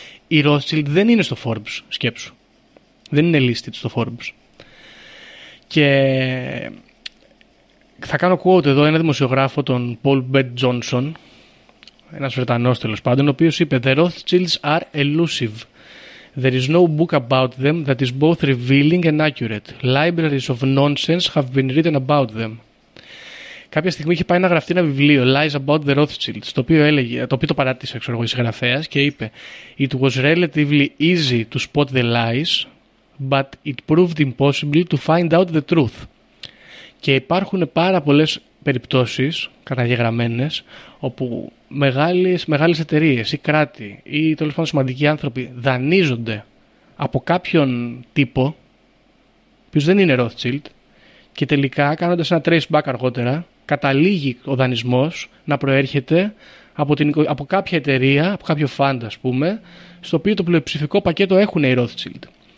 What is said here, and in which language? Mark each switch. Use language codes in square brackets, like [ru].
[el] Η Rothschild δεν είναι στο Forbes, σκέψου. Δεν είναι listed στο Forbes. Και θα κάνω quote εδώ ένα δημοσιογράφο, τον Paul Bed Johnson, ένας Βρετανός τέλος πάντων, ο οποίος είπε [en] «The Rothschilds are elusive». There is no book about them that is both revealing and accurate. Libraries of nonsense have been written about them. [el] Κάποια στιγμή είχε πάει να γραφτεί ένα βιβλίο, Lies About the Rothschilds, το οποίο έλεγε, το οποίο το παράτησε, ξέρω εγώ, η συγγραφέας και είπε [en] It was relatively easy to spot the lies, but it proved impossible to find out the truth. [el] Και υπάρχουν πάρα πολλές περιπτώσεις, καταγεγραμμένες, όπου μεγάλες εταιρείες ή κράτη ή τέλος πάντων σημαντικοί άνθρωποι δανείζονται από κάποιον τύπο που δεν είναι Rothschild και τελικά κάνοντας ένα trace back αργότερα καταλήγει ο δανεισμός να προέρχεται από κάποια εταιρεία, από κάποιο fund ας πούμε, στο οποίο το πλειοψηφικό πακέτο έχουν οι Rothschild.